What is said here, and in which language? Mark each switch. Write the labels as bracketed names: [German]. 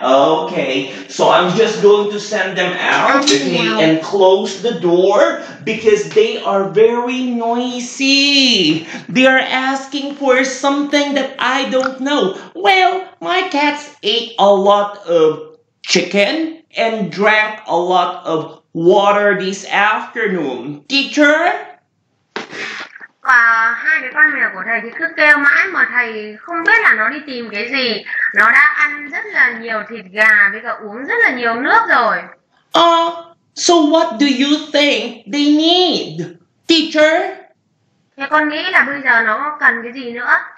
[English] Okay, so I'm just going to send them out and close the door because they are very noisy. They are asking for something that I don't know. Well, my cats ate a lot of chicken and drank a lot of water this afternoon. Teacher? [Vietnamese] Và hai cái con mèo của thầy thì cứ kêu mãi mà thầy không biết là nó đi tìm cái gì. Nó đã ăn rất là nhiều thịt gà với cả uống rất là nhiều nước rồi. [English] So what do you think they need, teacher? [Vietnamese] Thế con nghĩ là bây giờ nó cần cái gì nữa?